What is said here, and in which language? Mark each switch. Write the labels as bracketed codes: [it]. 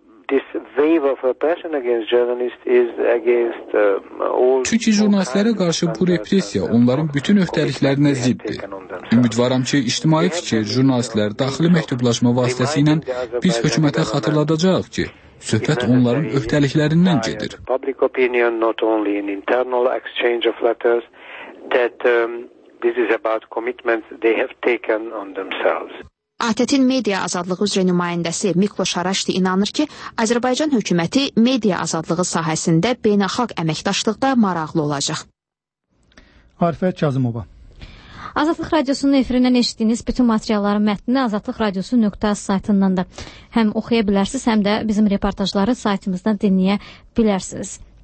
[en] This wave of oppression against journalists is against all. [az] Çünki jurnalistlərə qarşı bu repressiya onların bütün öhdəliklərinə ziddir. Ümidvaram ki, ictimai fikir, jurnalistlər daxili məktublaşma vasitəsi ilə biz hökumətə xatırladacaq ki, söhbət onların öhdəliklərindən gedir. [en] Public opinion not only in internal exchange of letters that this is about commitments they have taken on themselves. [az] ATƏT-in media azadlığı üzrə nümayəndəsi Mikloş Haraşçı inanır ki, Azərbaycan hökuməti media azadlığı sahəsində beynəlxalq əməkdaşlıqda maraqlı olacaq. Arifət Kazımova. Azadlıq Radiosunun efirindən eşitdiyiniz bütün materialların mətnini azadlıqradiosu.az saytından da həm oxuya bilərsiniz, həm də bizim reportajları saytımızdan dinləyə bilərsiniz.